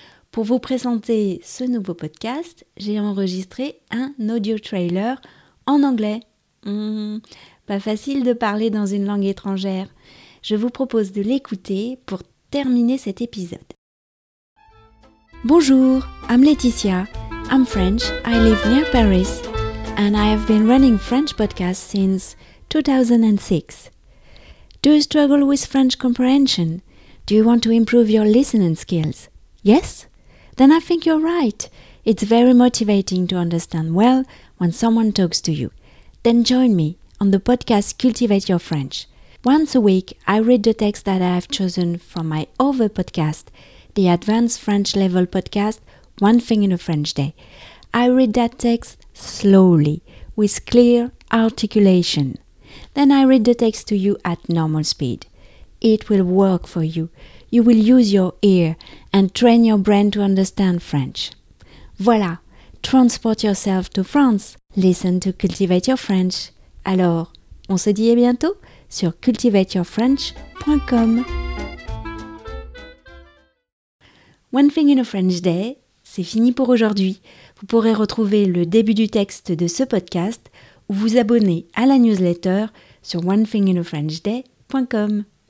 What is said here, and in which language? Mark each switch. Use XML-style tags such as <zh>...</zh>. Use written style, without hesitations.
<fr>Pour vous présenter ce nouveau podcast, j'ai enregistré un audio trailer en anglais. Pas facile de parler dans une langue étrangère. Je vous propose de l'écouter pour terminer cet épisode.</fr> <en>Bonjour, I'm Laetitia. I'm French, I live near Paris, and I have been running French podcasts since 2006. Do you struggle with French comprehension? Do you want to improve your listening skills? Yes? Then I think you're right. It's very motivating to understand well when someone talks to you. Then join me on the podcast Cultivate Your French. Once a week, I read the text that I have chosen from my other podcast, the Advanced French Level podcast, One Thing in a French Day. I read that text slowly, with clear articulation. Then I read the text to you at normal speed. It will work for you. You will use your ear and train your brain to understand French. Voilà, transport yourself to France. Listen to Cultivate Your French.</en> <fr>Alors, on se dit à bientôt sur cultivateyourfrench.com. One Thing in a French Day, c'est fini pour aujourd'hui. Vous pourrez retrouver le début du texte de ce podcast ou vous abonner à la newsletter sur onethinginafrenchday.com.</fr>